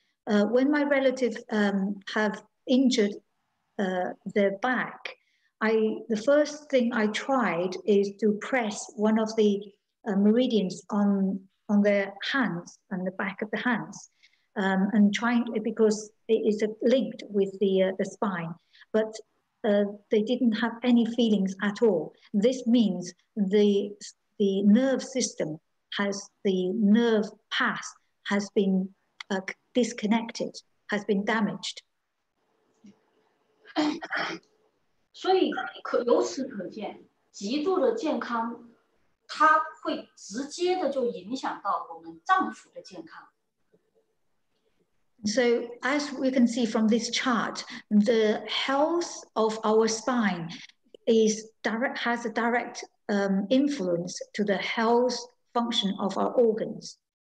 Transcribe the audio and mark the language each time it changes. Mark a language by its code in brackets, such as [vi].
[en] When my relative have injured their back, the first thing I tried is to press one of the meridians on their hands and the back of the hands, and trying because it is linked with the spine, but. They didn't have any feelings at all. This means the nerve system has, the nerve path has been disconnected, has been damaged. [zh] 所以由此可见, 极度的健康, 它会直接的就影响到我们脏腑的健康。 [en] So as we can see from this chart, the health of our spine is direct, has a direct influence to the health function of our organs.